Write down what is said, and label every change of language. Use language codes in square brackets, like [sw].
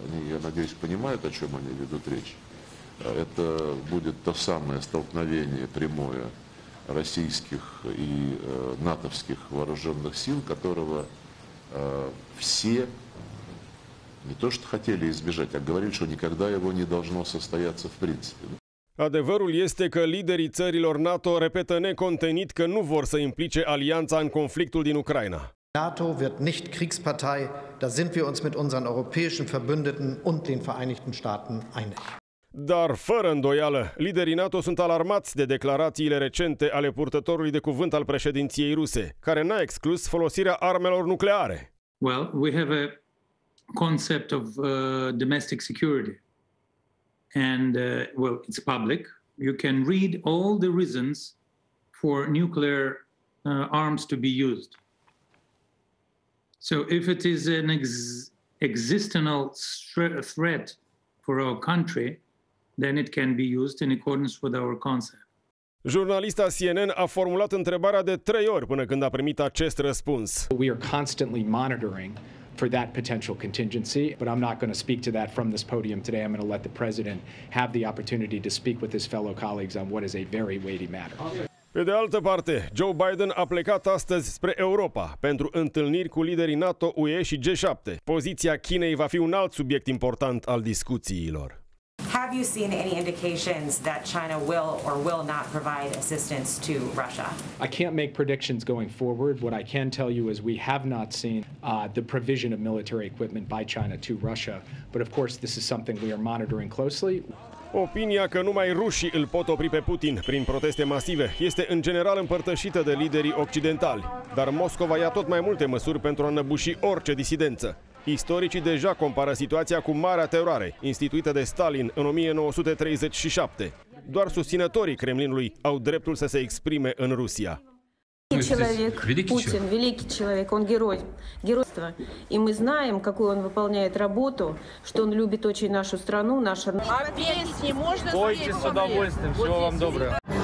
[ru] Они, я надеюсь, понимают, о чем они ведут речь. Это будет то самое столкновение прямое российских и натовских вооруженных сил, которого все не то что хотели избежать, а говорили, что никогда его не должно состояться в принципе. [ro] Adevărul este că liderii țărilor NATO repetă necontenit că nu vor să implice alianța în conflictul din Ucraina. [de] NATO wird nicht Kriegspartei, da sind wir uns mit unseren europäischen Verbündeten und den Vereinigten Staaten einig. [ro] Dar, fără îndoială, liderii NATO sunt alarmați de declarațiile recente ale purtătorului de cuvânt al președinției ruse, care n-a exclus folosirea armelor nucleare. [en] Well, we have a concept of domestic security. And, well, it's public. You can read all the reasons for nuclear arms to be used. So if it is an existential threat for our country, then it can be used in accordance with our concept. [ro] Jurnalista CNN a formulat întrebarea de trei ori până când a primit acest răspuns. [en] We are constantly monitoring for that potential contingency, but I'm not going to speak to that from this podium today. I'm going to let the president have the opportunity to speak with his fellow colleagues on what is a very weighty matter. [ro] Pe de altă parte, Joe Biden a plecat astăzi spre Europa pentru întâlniri cu liderii NATO, UE și G7. Poziția Chinei va fi un alt subiect important al discuțiilor. [en] Have you seen any indications that China will or will not provide assistance to Russia? I can't make predictions going forward. What I can tell you is we have not seen the provision of military equipment by China to Russia. But of course, this is something we are monitoring closely. [ro] Opinia că numai rușii îl pot opri pe Putin prin proteste masive este în general împărtășită de liderii occidentali. Dar Moscova ia tot mai multe măsuri pentru a înăbuși orice disidență. Istoricii deja compară situația cu Marea Teroare, instituită de Stalin în 1937. Doar susținătorii Kremlinului au dreptul să se exprime în Rusia. [ru] Putin, великий человек, он герой, геройство. И мы знаем, какую он выполняет работу, что он любит очень нашу страну, наша. Бойте с удовольствием, всего вам доброго.